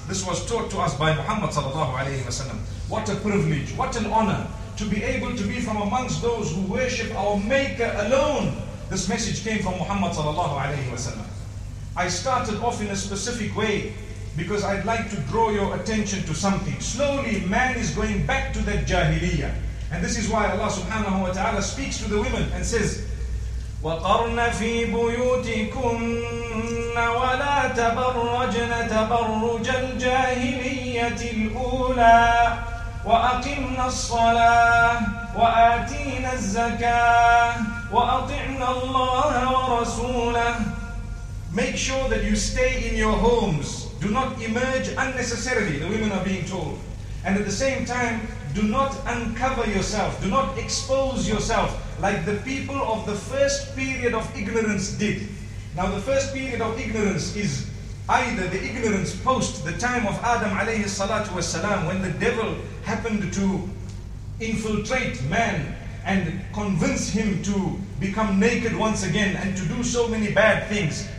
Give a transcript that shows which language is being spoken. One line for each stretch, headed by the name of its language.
English: This was taught to us by Muhammad sallallahu alayhi wa sallam. What a privilege, what an honor to be able to be from amongst those who worship our Maker alone. This message came from Muhammad sallallahu alayhi wa sallam. I started off in a specific way because I'd like to draw your attention to something. Slowly man is going back to that jahiliyyah. And this is why Allah subhanahu wa ta'ala speaks to the women and says,
Arabic: وَقَرْنَ فِي بُيُوتِكُنَّ وَلَا تَبَرَّجْنَ تَبَرُّجَ الْجَاهِلِيَّةِ الْأُولَى وَأَقِمْنَ الصَّلَاةِ وَآتِينَ الزَّكَاةِ وَأَطِعْنَ اللَّهَ وَرَسُولَهِ.
English: Make sure that you stay in your homes. Do not emerge unnecessarily, the women are being told. And at the same time, do not uncover yourself. Do not expose yourself like the people of the first period of ignorance did. Now the first period of ignorance is either the ignorance post the time of Adam alayhi salatu was salam, when the devil happened to infiltrate man and convince him to become naked once again and to do so many bad things.